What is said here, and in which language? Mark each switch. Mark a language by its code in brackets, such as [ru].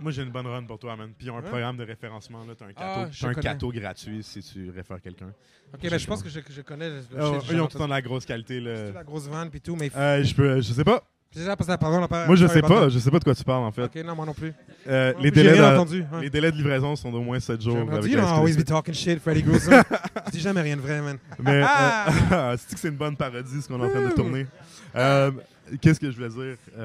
[fr] Moi, j'ai une bonne run pour toi, man. Puis, ils ont un programme de référencement. Là, t'as un cadeau gratuit si tu réfères quelqu'un. Ok, mais ben, je pense que je connais. Ils ont tout le temps la grosse qualité. La grosse van puis tout. Mais Je sais pas. J'ai déjà passé la parole. Moi, je sais pas. Je sais pas de quoi tu parles, en fait. Ok, non, moi non plus. Les délais de livraison sont d'au moins 7 jours. [en] You don't always be talking shit, Freddy Grosso. [fr] Je dis jamais rien de vrai, man. Mais c'est-tu que c'est une bonne parodie, ce qu'on est en train de tourner? Qu'est-ce que je voulais dire?